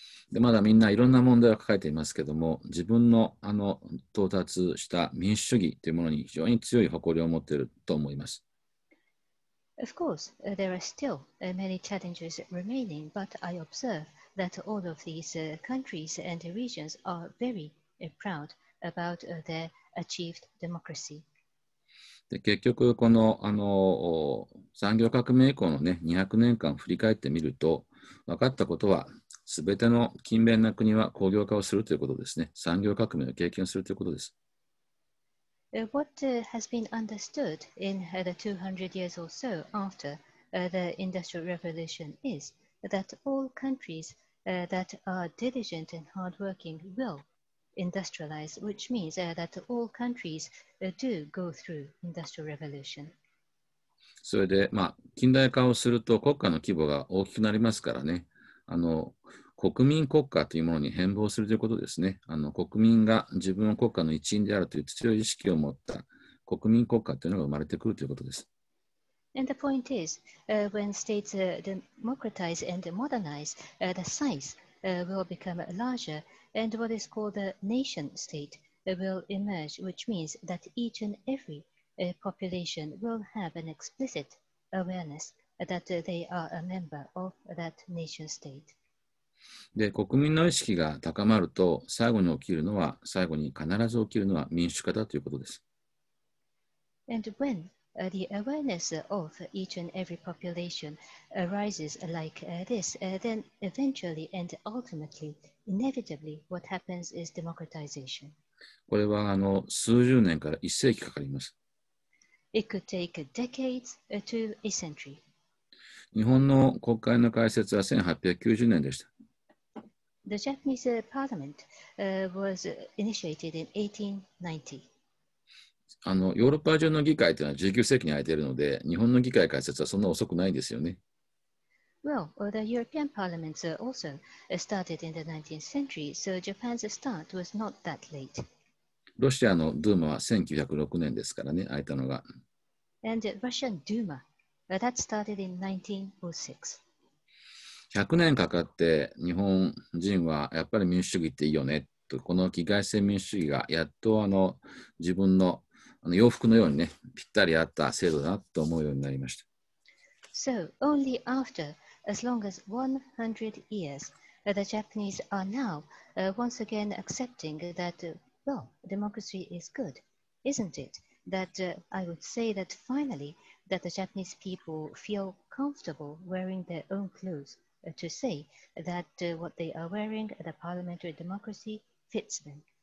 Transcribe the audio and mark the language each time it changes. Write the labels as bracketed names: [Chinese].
[Japanese] でまだみんないろんな問題を抱えていますけれども、自分の到達した民主主義というものに非常に強い誇りを持っていると思います。 [English] Of course, there are still many challenges remaining, but I observe that all of these countries and regions are very proud about their achieved democracy. [Japanese] で結局この産業革命以降のね200年間を振り返ってみると、分かったことは。全ての勤勉な国は工業化をするということですね。産業革命を経験するということです。 [English] What has been understood in the 200 years or so after the Industrial Revolution is that all countries that are diligent and hardworking will industrialize, which means that all countries do go through Industrial Revolution. [Japanese] それで、まあ、近代化をすると国家の規模が大きくなりますからね。国民国家というものに変貌するということですね。国民が自分の国家の一員であるという強い意識を持った国民国家というのが生まれてくるということです。 [English] And the point is, when states democratize and modernize, the size will become larger, and what is called the nation state will emerge, which means that each and every population will have an explicit awareness that they are a member of that nation state. [Japanese] で国民の意識が高まると最後に起きるのは最後に必ず起きるのは民主化だということです。 [English] And when the awareness of each and every population arises like this, then eventually and ultimately, inevitably, what happens is democratization. [Japanese] これは数十年から一世紀かかります。 [English] It could take decades to a century. [Japanese] 日本の国会の開設は1890年でした。 [English] The Japanese Parliament was initiated in 1890. [Japanese] ヨーロッパ中の議会というのは19世紀に空いているので、日本の議会開設はそんな遅くないんですよね。 [English] Well, the European Parliament also started in the 19th century, so Japan's start was not that late. [Japanese] ロシアのドゥーマは1906年ですからね、空いたのが。 [English] And Russian Duma, that started in 1906. [Japanese] 100年かかって日本人はやっぱり民主主義っていいよねと、この議会制民主主義がやっと自分の洋服のようにね、ぴったり合った制度だなと思うようになりました。 [English] So, only after as long as 100 years, the Japanese are now once again accepting that, well, democracy is good, isn't it? That I would say that finally that the Japanese people feel comfortable wearing their own clothes to say that what they are wearing, the parliamentary democracy, fits them.